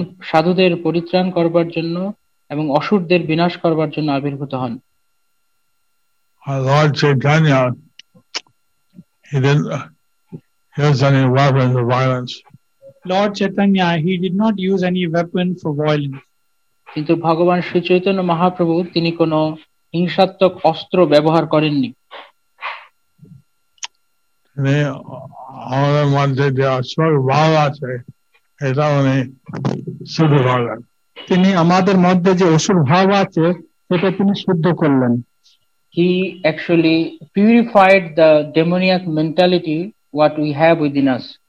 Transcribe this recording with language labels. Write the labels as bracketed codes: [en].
[bn] সাধুদের পরিত্রাণ করবার জন্য এবং অসুরদের বিনাশ করবার জন্য আবির্ভূত হন। [en] Lord Chaitanya, he didn't use any weapon for violence. Lord Chaitanya, he did not use any weapon for violence. [bn] কিন্তু ভগবান শ্রী চৈতন্য মহাপ্রভু তিনি কোনো হিংসাত্মক অস্ত্র ব্যবহার করেননি। তিনি আমাদের মধ্যে যে অসুর ভাব আছে এটা উনি শুদ্ধ করলেন। তিনি আমাদের মধ্যে যে অসুর ভাব আছে সেটা তিনি শুদ্ধ করলেন। [en] He actually purified the demoniac mentality what we have within us.